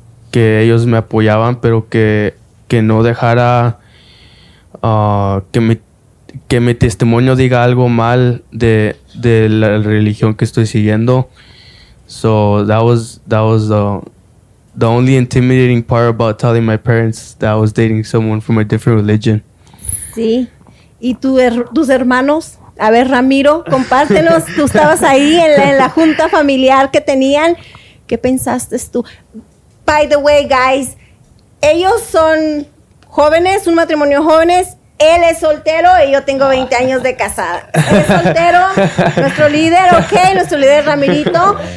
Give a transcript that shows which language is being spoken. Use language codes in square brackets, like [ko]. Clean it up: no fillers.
[es] Que ellos me apoyaban, pero que no dejara que mi testimonio diga algo mal de la religión que estoy siguiendo. [en] So that was the only intimidating part about telling my parents that I was dating someone from a different religion. [es] Sí. ¿Y tus hermanos? A ver, Ramiro, compártenos. Tú estabas ahí en la junta familiar que tenían. ¿Qué pensaste tú? [en] By the way, guys, [es] ellos son jóvenes, un matrimonio jóvenes. Él es soltero y yo tengo 20 años de casada. Él es soltero, nuestro líder, ok, nuestro líder Ramirito.